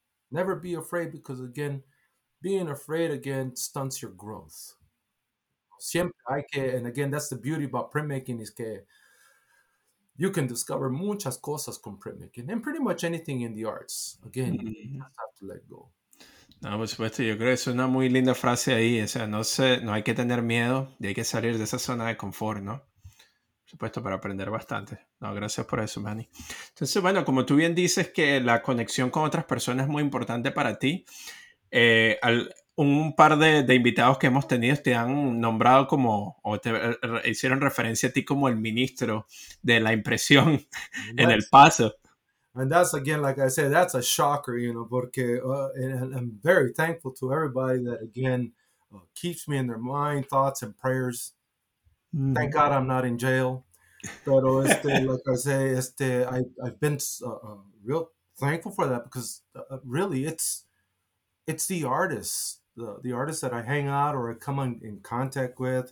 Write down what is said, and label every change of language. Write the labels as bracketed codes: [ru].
[en] Never be afraid, because again, being afraid again stunts your growth. [es] Siempre hay que, [en] and again, that's the beauty about printmaking, is que you can discover [es] muchas cosas con [en] printmaking and pretty much anything in the arts. Again, you just have to let go. [es] No, por supuesto, yo creo que es una muy linda frase ahí. O sea, no hay que tener miedo y hay que salir de esa zona de confort, ¿no? Por supuesto, para aprender bastante. No, gracias por eso, Manny. Entonces, bueno, como tú bien dices que la conexión con otras personas es muy importante para ti, un par de invitados que hemos tenido te han nombrado como, o te hicieron referencia a ti como el ministro de la impresión en el Paso. [en] And that's, again, like I said, that's a shocker, you know, porque and I'm very thankful to everybody that, again, keeps me in their mind, thoughts, and prayers. Mm-hmm. Thank God I'm not in jail. Pero, like I say, I've been real thankful for that, because really it's the artists, the artists that I hang out or I come in contact with.